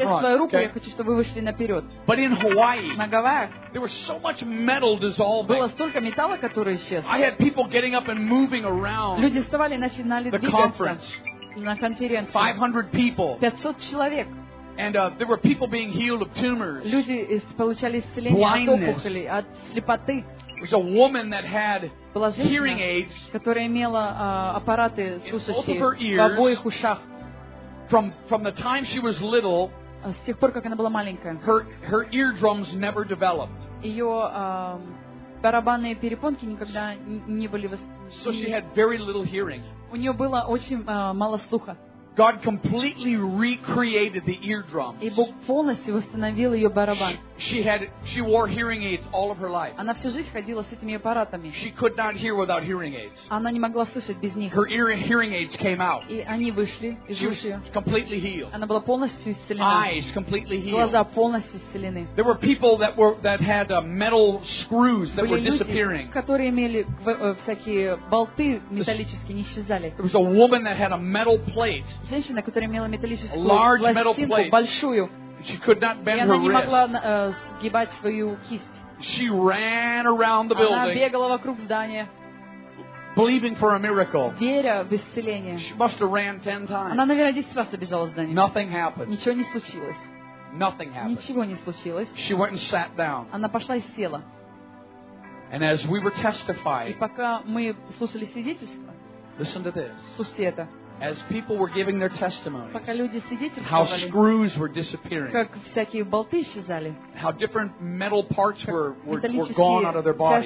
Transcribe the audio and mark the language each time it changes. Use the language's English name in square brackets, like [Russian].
[Russian] Если вы махали свою руку, я хочу, чтобы вы вышли наперед. [English] But in Hawaii, [Russian] на Гавайях, [English] there was so much metal dissolving. [Russian] Было столько металла, который исчез. [English] I had people getting up and moving around. [Russian] Люди вставали и начинали двигаться. На конференции. [English] 500 people. [Russian] 500 человек. [English] And there were people being healed of tumors. [Russian] Люди получали исцеление от опухолей, от слепоты. [English] There was a woman that had hearing aids, [Russian] которая имела аппараты слушающие в обоих ушах. [English] From the time she was little, [Russian] с тех пор как она была маленькая, [English] her eardrums never developed. [Russian] Ее барабанные перепонки никогда не были. [English] So she had very little hearing. [Russian] У нее было очень мало слуха. [English] God completely recreated the eardrums. [Russian] И Бог полностью восстановил ее барабан. [English] She wore hearing aids all of her life. [Russian] Она всю жизнь ходила с этими аппаратами. [English] She could not hear without hearing aids. [Russian] Она не могла слышать без них. [English] Her hearing aids came out. [Russian] И они вышли из ушей. [English] She was completely healed. [Russian] Она была полностью исцелена. [English] Eyes completely healed. [Russian] Глаза полностью исцелены. [English] There were people that had metal screws that were disappearing. [Russian] Люди, которые имели всякие болты металлические, не исчезали. [English] There was a woman that had a metal plate. [Russian] Женщина, которая имела металлическую пластинку, большую. [English] She could not bend her wrist. [Russian] И она не могла сгибать свою кисть. [English] She ran around the building. [Russian] Она бегала вокруг здания. [English] Believing for a miracle. [Russian] Веря в исцеление. [English] She must have ran 10 times. [Russian] Она, наверное, 10 раз обежала здание. [English] Nothing happened. [Russian] Ничего не случилось. [English] Nothing happened. [Russian] Ничего не случилось. [English] She went and sat down. [Russian] Она пошла и села. [English] And as we were testifying. [Russian] И пока мы слушали свидетельство. [English] Listen to this. [Russian] Слушайте это. [English] As people were giving their testimonies, [Russian] пока люди свидетельствовали, [English] how screws were disappearing, [Russian] как всякие болты исчезали, [English] how different metal parts were gone out of their body,